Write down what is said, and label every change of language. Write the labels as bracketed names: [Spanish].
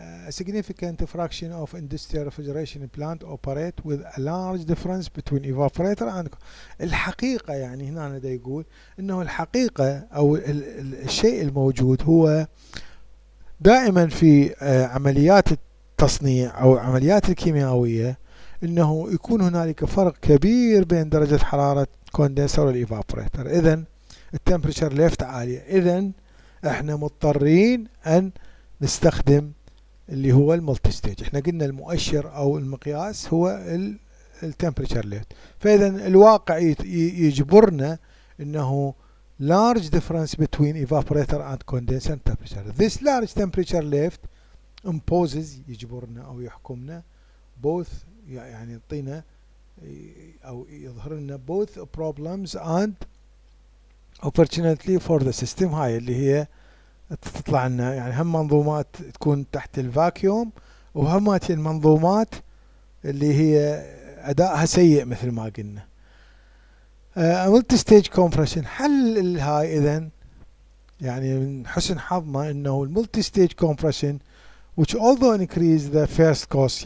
[English] significant fraction of industrial refrigeration plant operate with a large difference between evaporator and [Arabic] الحقيقة. يعني هنا أنا دا يقول إنه الحقيقة أو الشيء الموجود هو دائما في عمليات التصنيع أو عمليات الكيميائية إنه يكون هنالك فرق كبير بين درجة حرارة كوندنسر والإيفابوريتر. إذن التمبريتشر ليفت عالية، إذن إحنا مضطرين أن نستخدم اللي هو الملتي ستيج. إحنا قلنا المؤشر أو المقياس هو التمبريتشر ليفت، فإذا الواقع يجبرنا إنه [English] large difference between evaporator and condenser temperature. This large temperature lift imposes [Arabic] يجبرنا أو يحكمنا [English] both [Arabic] يعني يعطينا أو يظهر لنا [English] both problems and opportunity for the system. [Arabic] هاي اللي هي تطلع لنا يعني هم منظومات تكون تحت الفاكيوم وهم المنظومات اللي هي أداءها سيء مثل ما قلنا. ملتي ستيج كومبريشن حل الهاي إذن يعني من حسن حظنا إنه الملتي ستيج كومبريشن [English] which although increase the first cost.